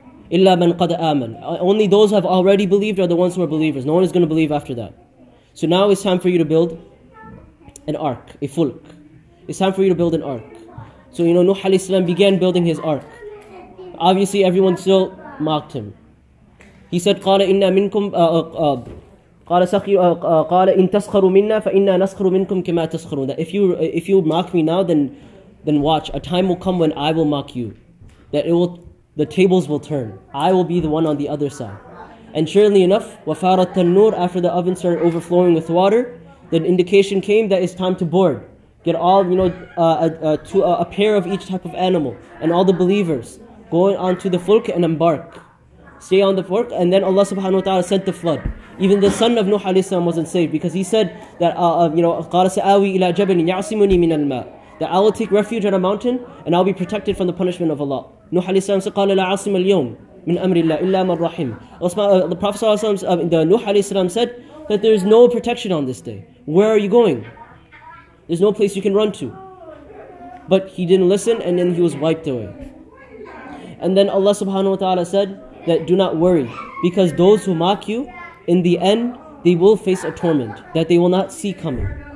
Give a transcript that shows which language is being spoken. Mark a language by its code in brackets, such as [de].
[ar] إِلَّا مَنْ قَدْ آمَنَ. [en] Only those who have already believed are the ones who are believers. No one is going to believe after that. So now it's time for you to build an ark, a fulk. It's time for you to build an ark. So you know, Nuh alayhi salam began building his ark. Obviously everyone still mocked him. He said, [ar] قَالَ إِنَّا مِنْكُمْ قَالَ إِن تَسْخَرُوا مِنَّا فَإِنَّا نَسْخَرُ مِنْكُمْ كَمَا تَسْخَرُونَ. [en] That if you mock me now, then watch, a time will come when I will mock you. That it will, the tables will turn. I will be the one on the other side. And surely enough, [ar] وَفَارَ التَّنُّورِ. [en] After the oven started overflowing with water, the indication came that it's time to board. Get all, you know, a pair of each type of animal, and all the believers, going onto the fulk and embark. Stay on the fork, and then Allah subhanahu wa ta'ala sent the flood. Even the son of Nuh alayhi salam wasn't saved, because he said that, [ar] قَالَ سَآوِي إِلَىٰ جَبَلٍ يَعْصِمُنِي مِنَ الْمَاءِ. [en] That I will take refuge on a mountain, and I'll be protected from the punishment of Allah. Nuh alayhi salam said, [ar] قَالَ لَا عَصِمَ الْيَوْمِ مِنْ أَمْرِ اللَّهِ إِلَّا مَنْ رَحِيمٌ. [en] The Prophet sallallahu alayhi wa sallam, Nuh alayhi salam said that there is no protection on this day. Where are you going? There's no place you can run to. But he didn't listen, and then he was wiped away. And then Allah subhanahu wa ta'ala said that do not worry, because those who mock you, in the end, they will face a torment that they will not see coming.